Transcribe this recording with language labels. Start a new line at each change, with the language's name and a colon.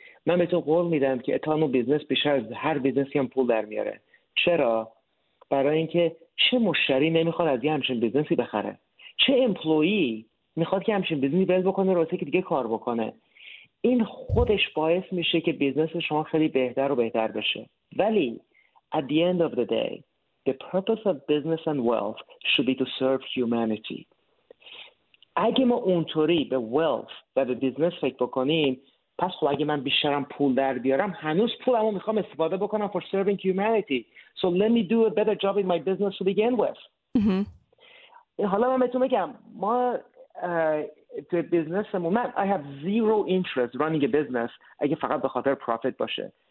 Persian: من به تو قول میدم که اتهام بیزنس بیشتر از هر بیزنسی هم پول در میاره. چرا؟ برای اینکه چه مشتری نمیخواد از یه همچین بیزنسی بخره؟ چه امپلویی میخواد که همچین بیزنسی بل بکنه روزی که دیگه کار بکنه؟ این خودش باعث میشه که بیزنس شما خیلی بهتر و بهتر بشه.
English: ولی at the end of the day the purpose of business and wealth should be to serve humanity.
Persian: اگه ما اونطوری به wealth و به بیزنس فکر بکنیم، پس خب اگه من بیشترم پول در بیارم، هنوز پولمو میخوام استفاده بکنم
English: for serving humanity. So let me do a better job in my business to begin with.
Persian: حالا من بهتون میگم، ما تو بیزنسمون، من
English: I have zero interest running a business
Persian: اگه فقط به خاطر
English: profit باشه.